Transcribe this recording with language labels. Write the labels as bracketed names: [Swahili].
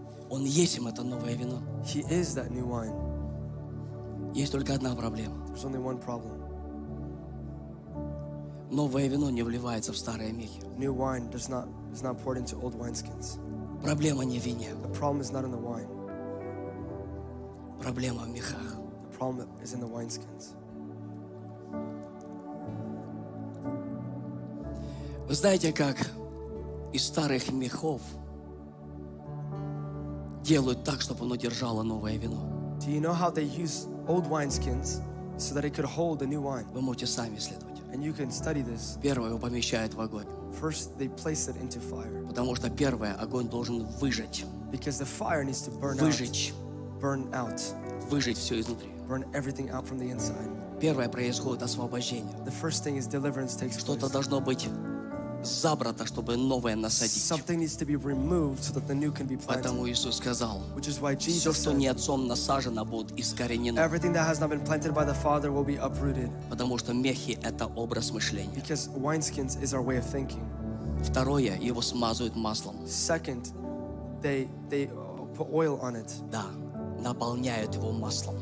[Russian] Он есть им это новое вино. [English] He is that new wine. [Russian] Есть только одна проблема. [English] There's only one problem. [Russian] Новое вино не вливается в старые мехи. [English] New wine is not poured into old wineskins. [Russian] Проблема не в вине. [English] The problem is not in the wine. [Russian] Проблема в мехах. [English] The problem is in the wineskins. [Russian] Вы знаете, как из старых мехов делают так, чтобы оно держало новое вино? [English] Do you know how they use old wineskins so that it could hold the new wine? [Russian] Вы можете сами исследовать. [English] And you can study this. [Russian] Первое, его помещают в огонь. [English] First, they place it into fire. [Russian] Потому что первое, огонь должен выжечь. [English] Because the fire needs to burn [Russian] выжечь. [English] Out. Burn out. [Russian] Выжечь все изнутри. [English] Burn everything out from the inside. [Russian] Первое происходит освобождение. [English] The first thing is deliverance takes [Russian] Что-то [English] place. [Russian] Должно быть забрато, чтобы новое насадить. [English] Something needs to be removed so that the new can be planted. [Russian] Поэтому Иисус сказал, [English] which is why Jesus [Russian] все, что не отцом насажено, будет искоренено. [English] Everything that has not been planted by the Father will be uprooted. [Russian] Потому что мехи — это образ мышления. [English] Because wineskins is our way of thinking. [Russian] Второе, его смазывают маслом. [English] Second, they put oil on it. [Russian] Да, наполняют его маслом.